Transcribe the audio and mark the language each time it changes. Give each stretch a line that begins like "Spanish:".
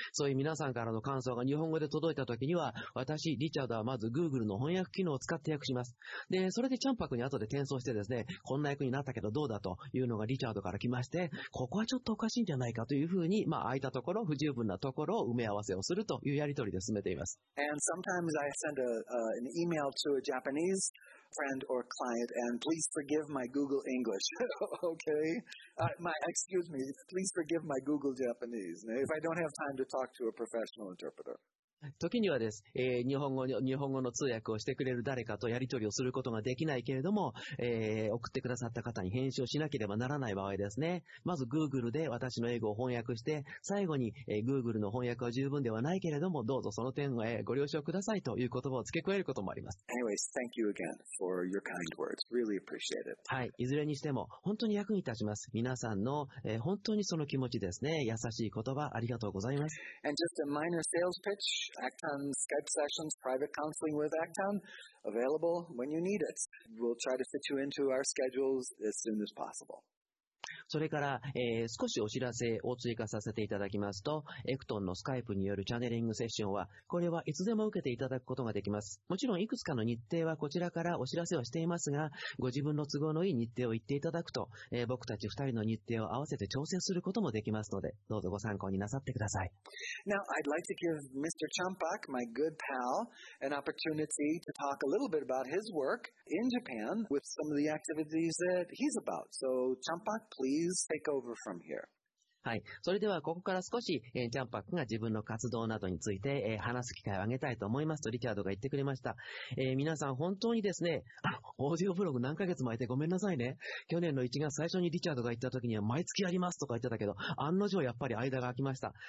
Japanese: そういう皆さんからの感想が日本語で届いた時には、私リチャードはまず Google の翻訳機能を使って訳します。でそれでChampakに後で転送してですね、こんな訳になったけどどうだというのがリチャードから来まして、ここはちょっとおかしいんじゃないかというふうに、まあ空いたところ、不十分なところを埋め合わせをするというやり取りで進めています。
English: And sometimes I send an email to a Japanese friend or client, and please forgive my Google English. Okay? Please forgive my Google Japanese. If I don't have time to talk to a professional interpreter.
Japanese: 時にはです、日本語の通訳をしてくれる誰かとやり取りをすることができないけれども、送ってくださった方に返信をしなければならない場合ですね。まず Google で私の英語を翻訳して、最後に、Google の翻訳は十分ではないけれども、どうぞその点を、ご了承くださいという言葉を付け加えることもあります。
English: Anyways, thank you again for your kind words. Really appreciate it.
Japanese: はい、いずれにしても本当に役に立ちます。皆さんの、本当にその気持ちですね。優しい言葉、ありがとうございます。
English: And just a minor sales pitch. Acton Skype sessions, private counseling with Acton, available when you need it. We'll try to fit you into our schedules as soon as possible.
Japanese: それから、少しお知らせを追加させていただきますと、エクトンのスカイプによるチャネリングセッションは、これはいつでも受けていただくことができます。もちろんいくつかの日程はこちらからお知らせをしていますが、ご自分の都合のいい日程を言っていただくと、僕たち2人の日程を合わせて調整することもできますので、どうぞご参考になさってください。
English: Now, I'd like to give Mr. Champak, my good pal, an opportunity to talk a little bit about his work in Japan with some of the activities that he's about. So, Champak, please. Take over from here.
Japanese: はい、それではここから少し、チャンパックが自分の活動などについて、話す機会をあげたいと思いますとリチャードが言ってくれました、皆さん本当にですね、オーディオブログ何ヶ月も空いてごめんなさいね。去年の1月最初にリチャードが言った時には毎月やりますとか言ってたけど、案の定やっぱり間が空きました。